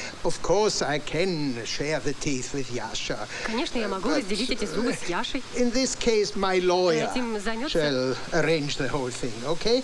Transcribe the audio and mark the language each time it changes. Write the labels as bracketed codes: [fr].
[en] Of course I can share the teeth with Yasha. [ru] Конечно, я могу разделить эти зубы с Яшей. [en] In this case, my lawyer shall arrange the whole thing, okay?